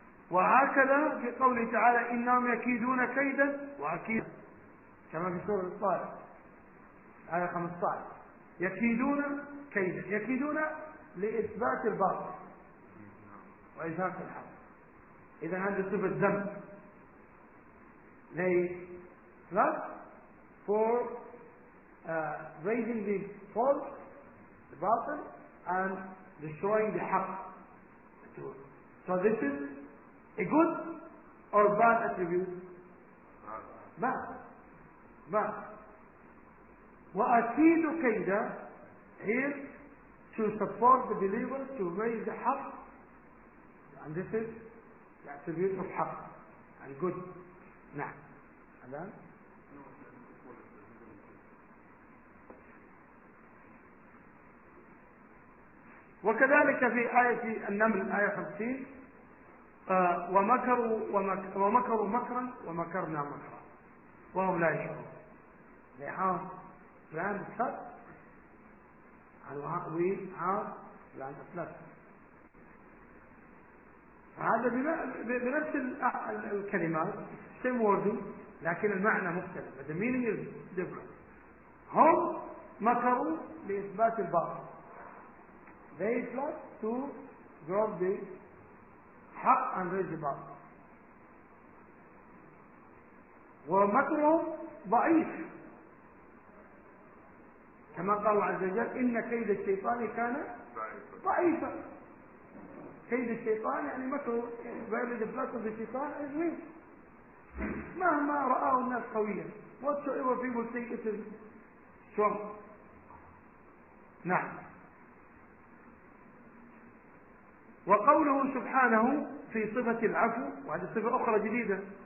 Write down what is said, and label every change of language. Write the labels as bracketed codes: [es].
[ar] وهكذا في قوله تعالى إنهم يكيدون كيدا وأكيد كما في سورة الطارق آية 15 يكيدون كيدا، يكيدون لإثبات الباطل وإثبات الحق. إذا هذه صفة ذنب [en] they plot for raising the false the باطل and destroying the حق. So this is a good or bad attribute? Bad. [ar] وأكيد كيدا [en] here to support the believers to raise the حق. And this is the attribute of حق and good. [ar] نعم. هذا؟ وكذلك في آية النمل آية 50 ومكروا مكرا ومكرنا مكرا وهم لا يشعرون. [en] They have planned a plot and we have planned a plot. [ar] هذا بنفس الكلمات [en] same wording [ar] لكن المعنى مختلف. [en] The meaning is different. [ar] هم مكروا لإثبات الباطل. [en] They plot to drop the حق and raise the باطل. [ar] ومكرهم ضعيف كما قال الله عز وجل إن كيد الشيطان كان ضعيفا. كيد الشيطان يعني مكره [en] where the plot of the شيطان is weak. [ar] مهما رآه الناس قويا [en] whatsoever people think it is strong. [ar] نعم. وقوله سبحانه في صفة العفو وهذه صفة أخرى جديدة.